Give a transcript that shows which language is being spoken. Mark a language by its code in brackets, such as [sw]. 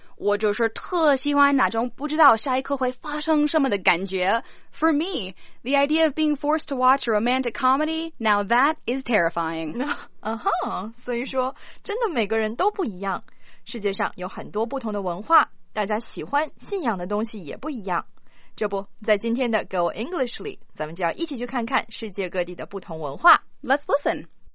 [zh] 我就是特喜欢那种不知道下一刻会发生什么的感觉。 [en] For me, the idea of being forced to watch a romantic comedy, now that is terrifying. [zh] Uh-huh, 所以说真的每个人都不一样。世界上有很多不同的文化，大家喜欢信仰的东西也不一样。这不，在今天的 Go English 里，咱们就要一起去看看世界各地的不同文化。 [en] Let's listen.